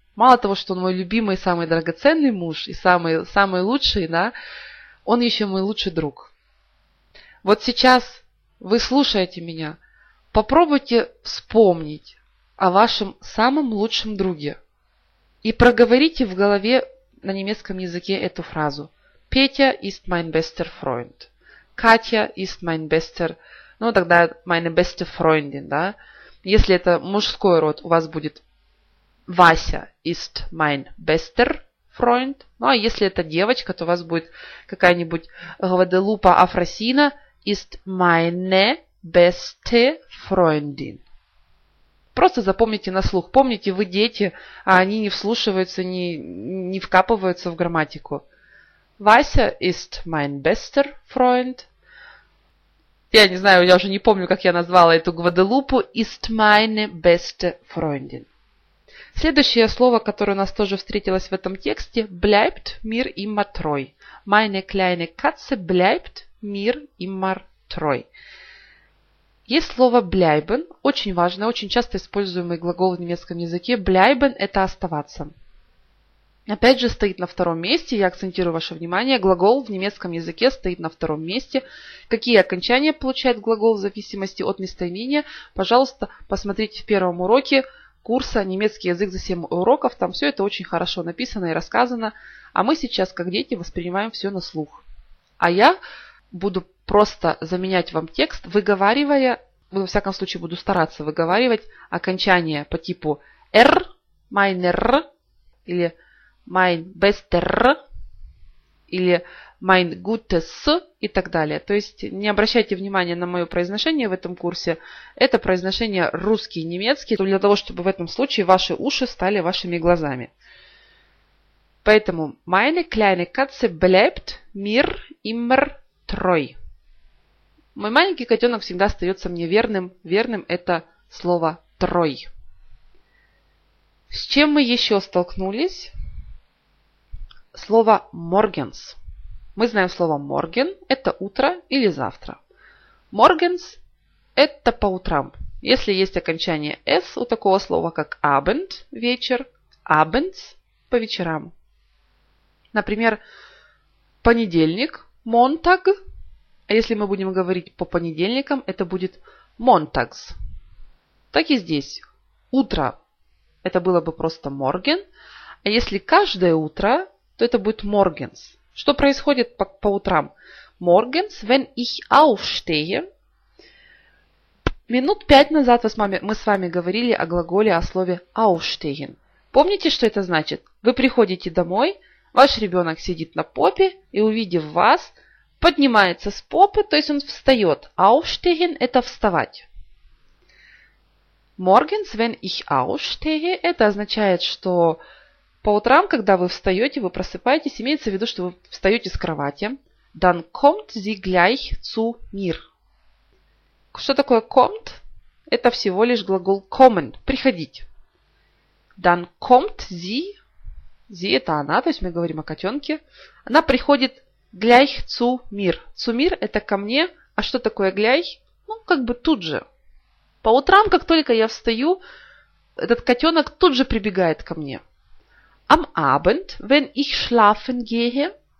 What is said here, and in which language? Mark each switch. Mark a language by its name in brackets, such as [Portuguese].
[Russian] Мало того, что он мой любимый, самый драгоценный муж и самый лучший, да, он еще мой лучший друг. Вот сейчас вы слушаете меня, попробуйте вспомнить о вашем самом лучшем друге. И проговорите в голове на немецком языке эту фразу. [German] Петя ist mein bester Freund. Катя ist mein bester... [Russian] Ну, тогда [German] meine beste Freundin, [Russian] да? Если это мужской род, у вас будет Вася [German] ist mein bester Freund. [Russian] Ну, а если это девочка, то у вас будет какая-нибудь Гваделупа Афросина [German] ist meine beste Freundin. [Russian] Просто запомните на слух. Помните, вы дети, а они не вслушиваются, не вкапываются в грамматику. [German] Вася ist mein bester Freund. [Russian] Я не знаю, я уже не помню, как я назвала эту Гваделупу. [German] Ist meine beste Freundin. [Russian] Следующее слово, которое у нас тоже встретилось в этом тексте. [German] Bleibt mir immer treu. Meine kleine Katze bleibt mir immer treu. [Russian] Есть слово bleiben, очень важное, очень часто используемый глагол в немецком языке. Bleiben – это оставаться. Опять же, стоит на втором месте, я акцентирую ваше внимание, глагол в немецком языке стоит на втором месте. Какие окончания получает глагол в зависимости от местоимения? Пожалуйста, посмотрите в первом уроке курса «Немецкий язык за 7 уроков». Там все это очень хорошо написано и рассказано. А мы сейчас, как дети, воспринимаем все на слух. А я буду просто заменять вам текст, выговаривая, ну, во всяком случае, буду стараться выговаривать окончания по типу «r», «meiner» или [German] «mein bester», [Russian] или [German] mein gutes [Russian] и так далее. То есть не обращайте внимания на мое произношение в этом курсе. Это произношение русский и немецкий, для того, чтобы в этом случае ваши уши стали вашими глазами. Поэтому [German] meine kleine Katze bleibt mir immer treu. [Russian] Мой маленький котенок всегда остается мне верным. Верным это слово treu. С чем мы еще столкнулись? Слово morgens. Мы знаем слово morgen, это утро или завтра. Morgens это по утрам. Если есть окончание s у такого слова, как abend, вечер, abends по вечерам. Например, понедельник, Montag. А если мы будем говорить по понедельникам, это будет Montags. Так и здесь. Утро это было бы просто morgen. А если каждое утро, то это будет morgens. Что происходит по утрам? [German] Morgens, wenn ich aufstehe. [Russian] Минут пять назад мы с вами говорили о глаголе, о слове aufstehen. Помните, что это значит? Вы приходите домой, ваш ребенок сидит на попе и, увидев вас, поднимается с попы, то есть он встает. Aufstehen – это вставать. [German] Morgens, wenn ich aufstehe [Russian] – это означает, что по утрам, когда вы встаете, вы просыпаетесь, имеется в виду, что вы встаете с кровати. [German] Dann kommt sie gleich zu mir. [Russian] Что такое kommt? Это всего лишь глагол kommen – приходить. [German] Dann kommt sie. [Russian] Зи – это она, то есть мы говорим о котенке. Она приходит [German] gleich zu mir. Zu mir [Russian] – это ко мне. А что такое gleich? Ну, как бы тут же. По утрам, как только я встаю, этот котенок тут же прибегает ко мне. [German] Am Abend, wenn ich schlafen gehe.